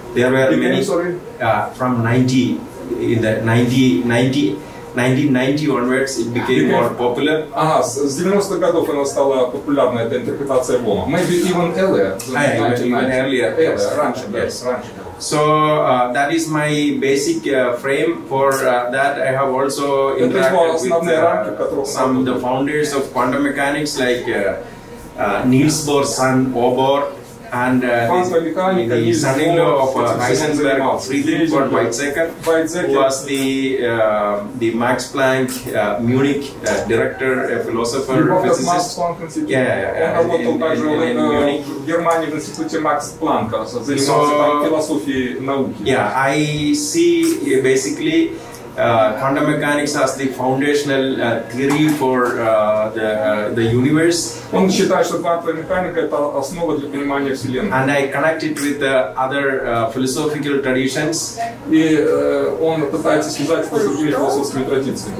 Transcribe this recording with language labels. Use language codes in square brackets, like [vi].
[en] There were many from 1990 onwards, it became more popular. [ru] Ага, с 90-х годов она стала популярной, эта интерпретация Бома. [en] Maybe even earlier. Earlier, [ru] раньше. [en] So, that is my basic frame for that. I have also interacted with some of the founders of quantum mechanics, like Niels Bohr's son, Bohr. And the son-in-law of Heisenberg, Friedrich von Weizsäcker, who was the Max Planck Munich director, a philosopher, physicist. Max Planck Institute. Yeah, in Munich. Germany, the Institute Max Planck, also philosophy, [ru] науки. [en] Yeah, I see basically quantum mechanics as the foundational theory for the universe. [ru] Он считает, что квантовая механика это основа для понимания вселенной. [en] And I connect it with other philosophical traditions. [ru] И он пытается связать это с другими философскими традициями.